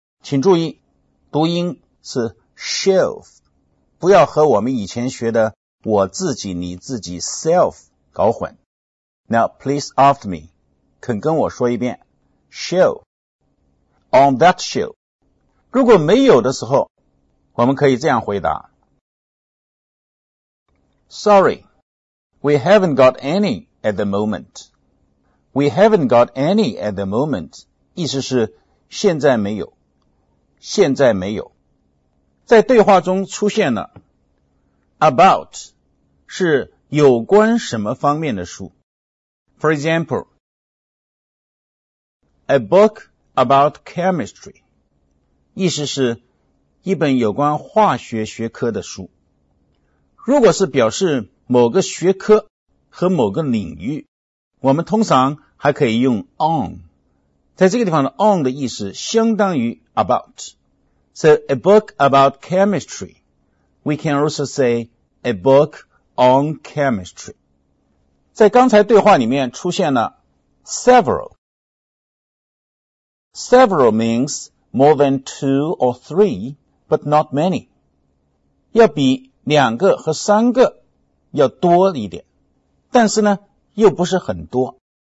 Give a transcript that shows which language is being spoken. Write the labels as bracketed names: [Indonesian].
[Chinese] 请注意，读音是shelf, 不要和我们以前学的我自己你自己 self 搞混。 [English] Now please after me, [Chinese] 肯跟我说一遍 shelf, [English] on that shelf. [Chinese] 如果没有的时候，我们可以这样回答 [English] Sorry, we haven't got any at the moment. We haven't got any at the moment. [Chinese] 意思是现在没有，现在没有。在对话中出现了 about 是有关什么方面的书。 [English] For example, a book about chemistry, [Chinese] 意思是一本有关化学学科的书。如果是表示某个学科和某个领域，我们通常还可以用 on, 在这个地方的 on 的意思相当于 about。 [English] So, a book about chemistry. We can also say a book on chemistry. [Chinese] 在刚才对话里面出现了 several. [English] Several means more than two or three, but not many. [Chinese] 要比两个和三个要多一点，但是呢，又不是很多。